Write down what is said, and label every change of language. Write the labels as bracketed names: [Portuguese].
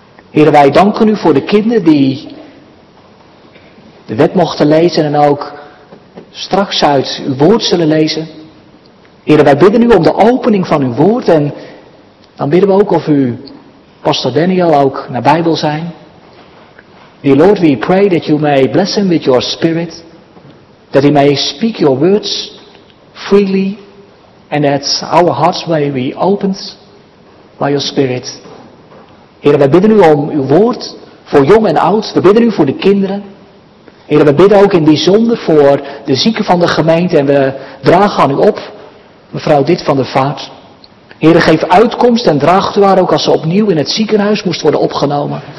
[Dutch] Heren, wij danken u voor de kinderen die de wet mochten lezen en ook straks uit uw woord zullen lezen. Heren, wij bidden u om de opening van uw woord en dan bidden we ook of u pastor Daniel ook nabij wil zijn. [English] Dear Lord, we pray that you may bless him with your spirit, that he may speak your words freely, and that our hearts may be opened by your spirit. [Dutch] Heren, we bidden u om uw woord voor jong en oud. We bidden u voor de kinderen. Heren, we bidden ook in bijzonder voor de zieken van de gemeente en we dragen aan u op, mevrouw Dit van der Vaart. Heren, geef uitkomst en draagt u haar ook als ze opnieuw in het ziekenhuis moest worden opgenomen.